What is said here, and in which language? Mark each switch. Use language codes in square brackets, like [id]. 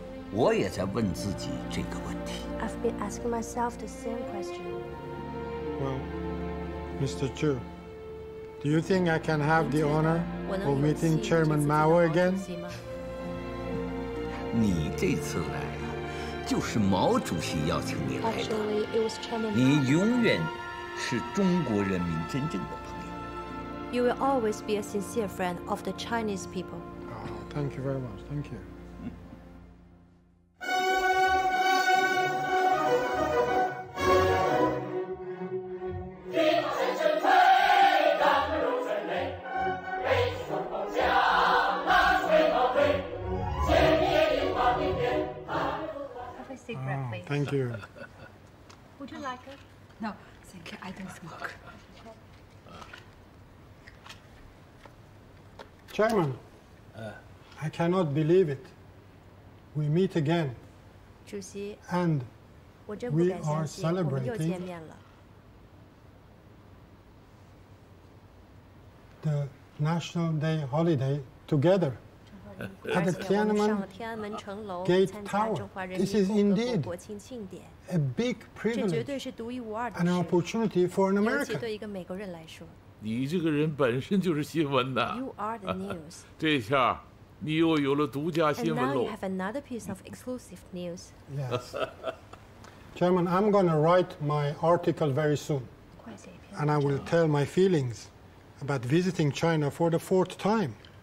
[zh] 我也在问自己这个问题。 [en] I've been asking myself the same question. Well, Mr. Chu, do you think I can have the honor of meeting Chairman Mao again? [zh] 你这次来啊，就是毛主席邀请你来的。你永远是中国人民真正的朋友。 [en] You will always be a sincere friend of the Chinese people. Oh, thank you very much. Thank you. [zh] 谢谢。 [en] Chairman, I cannot believe it. We meet again. [zh] 主席。 [en] And we are celebrating the National Day holiday together. At the Tiananmen Gate Tower, this is indeed a big privilege and an opportunity for an American. [zh] 你这个人本身就是新闻的。 [en] You are the news. [zh] 这下你又有了独家新闻喽。 [en] And now you have another piece of exclusive news. Yes. Chairman, I'm going to write my article very soon. And I will tell my feelings about visiting China for the fourth time.